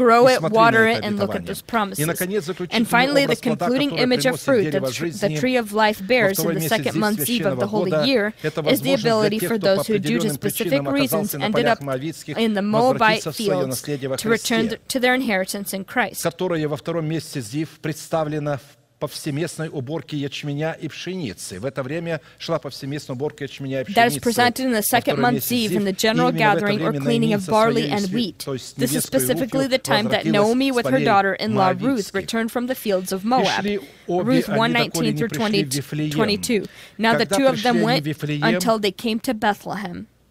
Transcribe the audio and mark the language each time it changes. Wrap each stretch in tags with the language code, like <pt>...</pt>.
<en>Grow it, water it, and look at those promises. And finally, the concluding image of fruit that the tree of life bears in the second month Zeev of the holy year is the ability for those who, due to specific reasons, ended up in the Moabite fields to return to their inheritance in Christ.</en> <ru>Которая во втором месте Зив представлена повсеместной уборке ячменя и пшеницы. В это время шла повсеместная уборка ячменя и пшеницы.</ru> <en>That is presented in the second month Zeev in the general gathering or cleaning of barley and wheat. This is specifically the time that Naomi with her daughter-in-law Ruth returned from the fields of Moab. Ruth 1:19-22. Now the two of them went until they came to Bethlehem.</en>